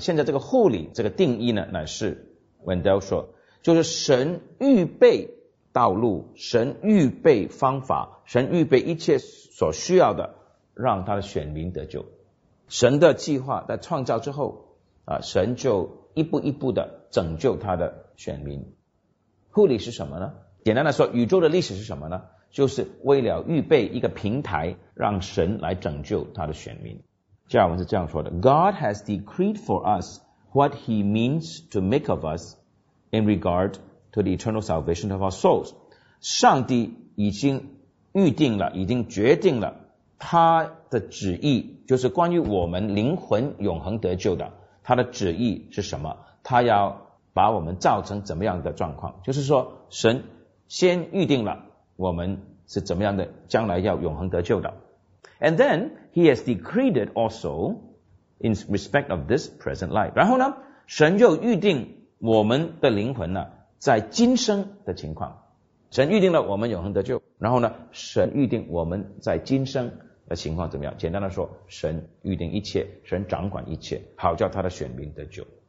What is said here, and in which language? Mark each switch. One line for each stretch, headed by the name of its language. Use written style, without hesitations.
Chinese: 现在这个护理这个定义呢，乃是 Wendell 说，就是神预备道路，神预备方法，神预备一切所需要的，让他的选民得救。神的计划在创造之后啊，神就一步一步的拯救他的选民。护理是什么呢？简单的说，宇宙的历史是什么呢？就是为了预备一个平台，让神来拯救他的选民。加尔文是这样说的，
English: God has decreed for us what he means to make of us in regard to the eternal salvation of our souls.
Chinese: 上帝已经预定了，已经决定了他的旨意，就是关于我们灵魂永恒得救的，他的旨意是什么？他要把我们造成怎么样的状况？就是说神先预定了我们是怎么样的，将来要永恒得救的。
English: And then he has decreed it also in respect of this present life.
Chinese: 然后呢，神又预定我们的灵魂呢在今生的情况。神预定了我们永恒得救，然后呢，神预定我们在今生的情况怎么样？简单的说，神预定一切，神掌管一切，好叫他的选民得救。